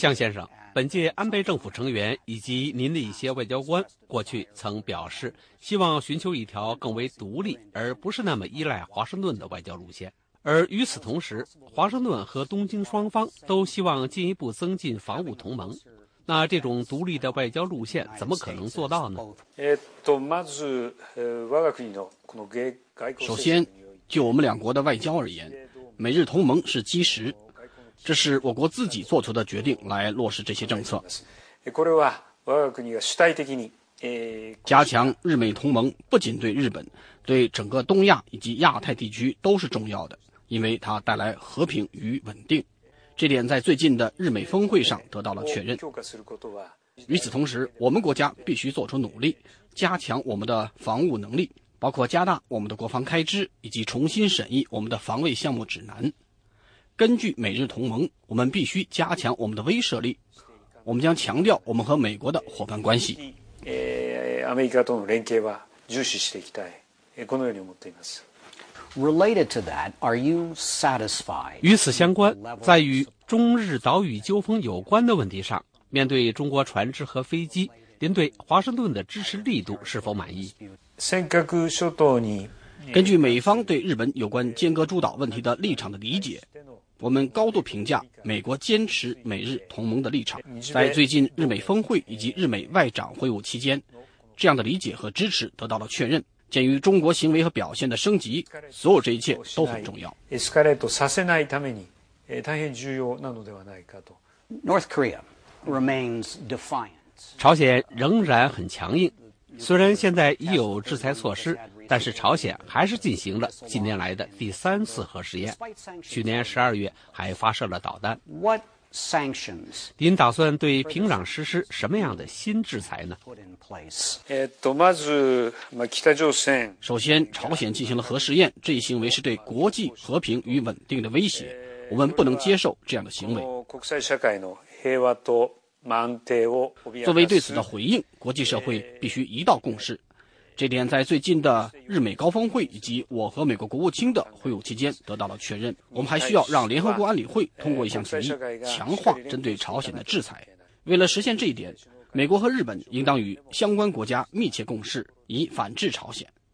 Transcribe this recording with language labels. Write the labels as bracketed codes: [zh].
[zh] 外相先生，本届安倍政府成员以及您的一些外交官过去曾表示，希望寻求一条更为独立而不是那么依赖华盛顿的外交路线。而与此同时，华盛顿和东京双方都希望进一步增进防务同盟。那这种独立的外交路线怎么可能做到呢？ [ja] まず我が国のこの外交。 [zh] 首先，就我们两国的外交而言，美日同盟是基石，这是我国自己做出的决定来落实这些政策。 [ja] これは我が国が主体的に [zh] 加强日美同盟，不仅对日本，对整个东亚以及亚太地区都是重要的，因为它带来和平与稳定。这点在最近的日美峰会上得到了确认。与此同时，我们国家必须做出努力，加强我们的防务能力，包括加大我们的国防开支，以及重新审议我们的防卫项目指南。根据美日同盟，我们必须加强我们的威慑力，我们将强调我们和美国的伙伴关系。 [ja] アメリカとの連携は重視していきたい、このように思っています。 [en] Related to that, are you satisfied? [zh] 与此相关，在与中日岛屿纠纷有关的问题上，面对中国船只和飞机，您对华盛顿的支持力度是否满意？ [ja] 尖閣諸島に [zh] 根据美方对日本有关尖閣諸島问题的立场的理解，我们高度评价美国坚持美日同盟的立场。在最近日美峰会以及日美外长会晤期间，这样的理解和支持得到了确认。鉴于中国行为和表现的升级，所有这一切都很重要。 [ja] エスカレートさせないために大変重要なのではないかと。 [en] North Korea remains defiant. [zh] 朝鲜仍然很强硬，虽然现在已有制裁措施，但是朝鲜还是进行了近年来的第三次核试验，去年12月还发射了导弹。 [en] What sanctions? [zh] 您打算对平壤实施什么样的新制裁呢？ [ja] まず、北朝鮮。 [zh] 首先，朝鲜进行了核试验，这一行为是对国际和平与稳定的威胁，我们不能接受这样的行为。 [ja] 国際社会の平和と安定を脅かす。 [zh] 作为对此的回应，国际社会必须一道共识。这点在最近的日美高峰会以及我和美国国务卿的会晤期间得到了确认。我们还需要让联合国安理会通过一项决议，强化针对朝鲜的制裁。为了实现这一点，美国和日本应当与相关国家密切共事，以反制朝鲜。